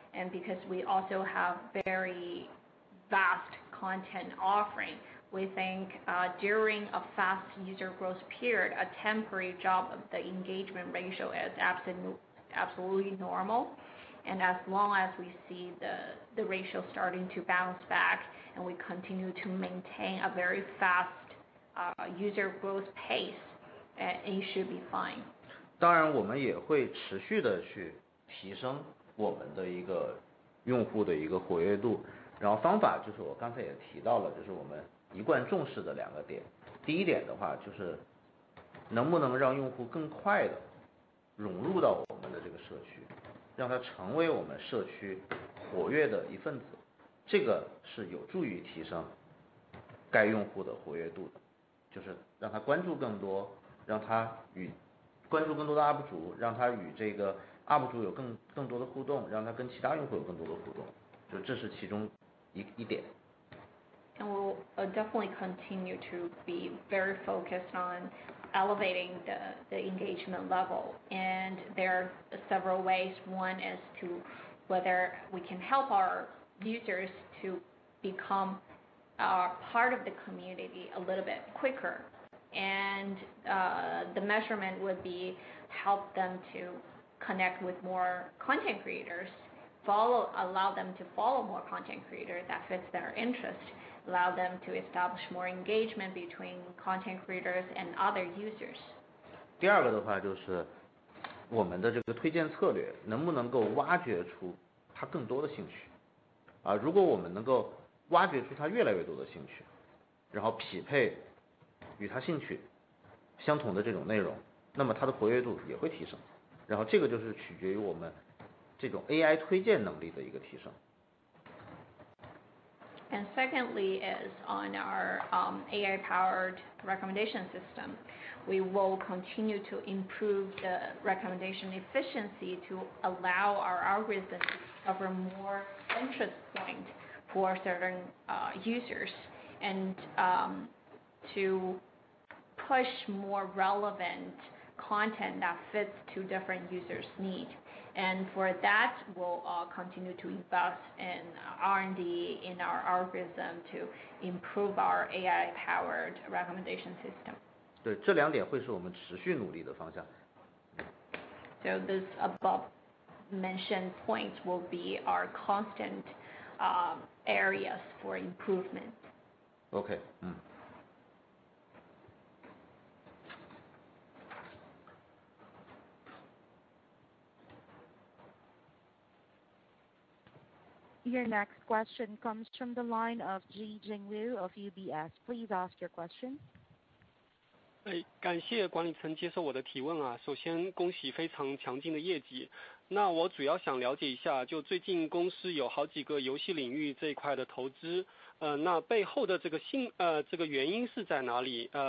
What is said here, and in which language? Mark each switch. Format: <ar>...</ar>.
<en>and because we also have very vast content offering, we think during a fast user growth period, a temporary drop of the engagement ratio is absolutely normal. And as long as we see the ratio starting to bounce back and we continue to maintain a very fast user growth pace, it should be fine.</en> <zh>当然我们也会持续的去提升我们的一个用户的一个活跃度，然后方法就是我刚才也提到了，就是我们一贯重视的两个点。第一点的话就是能不能让用户更快的融入到我们的这个社区，让它成为我们社区活跃的一份子，这个是有助于提升该用户的活跃度的，就是让他关注更多，让他与关注更多的 UP 主，让他与这个 UP 主有更多的互动，让他跟其他用户有更多的互动，就这是其中一点。</zh> <en>And we'll definitely continue to be very focused on elevating the engagement level. And there are several ways. One is to whether we can help our users to become part of the community a little bit quicker. And the measurement would be help them to connect with more content creators, allow them to follow more content creators that fits their interest, allow them to establish more engagement between content creators and other users.</en> <zh>第二个的话就是我们的这个推荐策略能不能够挖掘出他更多的兴趣啊，如果我们能够挖掘出他越来越多的兴趣，然后匹配与他兴趣相同的这种内容，那么他的活跃度也会提升，然后这个就是取决于我们这种 AI 推荐能力的一个提升。</zh> <en>And secondly is on our AI-powered recommendation system. We will continue to improve the recommendation efficiency to allow our algorithm to discover more interest points for certain users and to push more relevant content that fits to different users' needs. And for that, we'll continue to invest in R&D in our algorithm to improve our AI-powered recommendation system.</en> <zh>对，这两点会是我们持续努力的方向。</zh> <en>So this above mentioned points will be our constant areas for improvement. Okay. Your next question comes from the line of Ji Jingwu of UBS. Please ask your question.</en> <zh>哎，感谢管理层接受我的提问啊。首先恭喜非常强劲的业绩。那我主要想了解一下，就最近公司有好几个游戏领域这一块的投资，那背后的这个原因是在哪里？</zh>